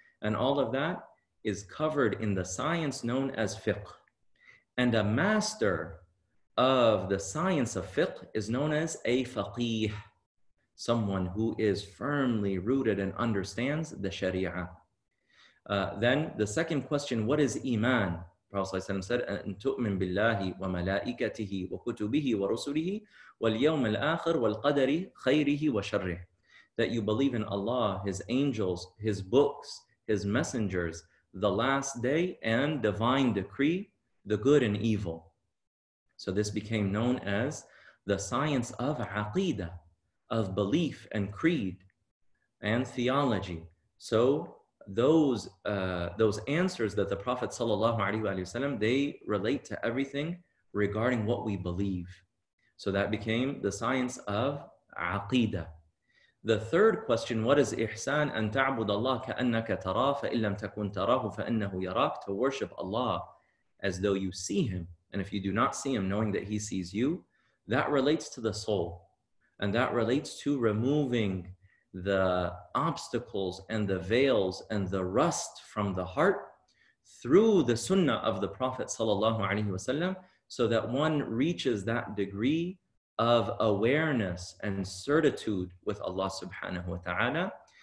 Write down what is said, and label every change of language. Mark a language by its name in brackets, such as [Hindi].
[English] And all of that is covered in the science known as fiqh. And a master of the science of fiqh is known as a faqih, someone who is firmly rooted and understands the sharia. Then the second question, what is iman? Prophet said, [Arabic] "أن تؤمن بالله وملائكته وكتبه ورسله واليوم الآخر والقدر خيره وشره." [English] That you believe in Allah, His angels, His books, His messengers, the last day, and divine decree, the good and evil. So this became known as the science of aqidah, of belief and creed and theology. So those answers that the Prophet sallallahu alaihi wasallam, they relate to everything regarding what we believe. So that became the science of aqidah. The third question, what is ihsan? [Arabic] أن تعبد الله كأنك تراه فإن لم تكن تراه فإنه يراك. [English] To worship Allah as though you see Him. And if you do not see Him, knowing that He sees you, that relates to the soul. And that relates to removing the obstacles and the veils and the rust from the heart through the sunnah of the Prophet sallallahu alaihi wasallam, so that one reaches that degree of awareness and certitude with Allah subhanahu wa ta'ala.